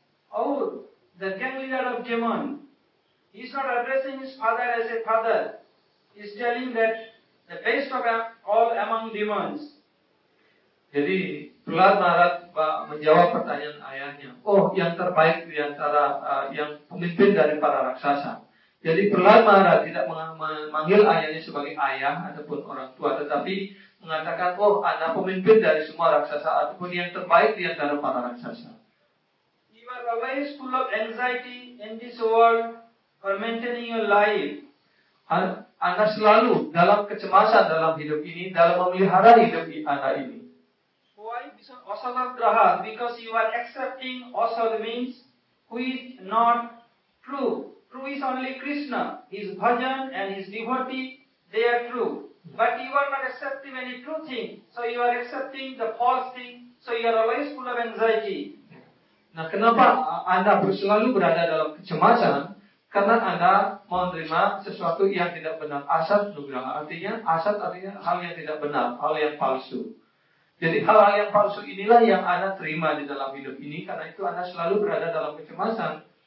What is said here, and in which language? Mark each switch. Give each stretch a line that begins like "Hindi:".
English: Aur, the gang leader of demon, he is not addressing his father as a father. He is telling that the best of all among demons.
Indonesian: Jadi, Prahlad Maharaj menjawab pertanyaan ayahnya. Oh, yang terbaik di antara yang pemimpin dari para raksasa. Jadi, Prahlad Maharaj tidak memanggil ayahnya sebagai ayah ataupun orang tua, tetapi mengatakan, oh anak pemimpin dari semua raksasa ataupun yang terbaik di antara para raksasa.
English: You are always full of anxiety in this world for maintaining your life.
Indonesian: Anda selalu dalam kecemasan dalam hidup ini, dalam memelihara hidup Anda ini.
English: Why? Asatagraha, because you are accepting asat means who is not true. True is only Krishna, his bhajan and his devotee, they are true. But you are not accepting any true thing, so you are accepting the false thing, so you are always full of anxiety.
Indonesian: Nah, kenapa Anda selalu berada dalam kecemasan? Karena Anda menerima sesuatu yang tidak benar. Asat nugraha, artinya asat artinya hal yang tidak benar, hal yang palsu. Jadi hal-hal yang palsu inilah yang Anda terima di dalam hidup ini, karena itu Anda selalu berada dalam kecemasan.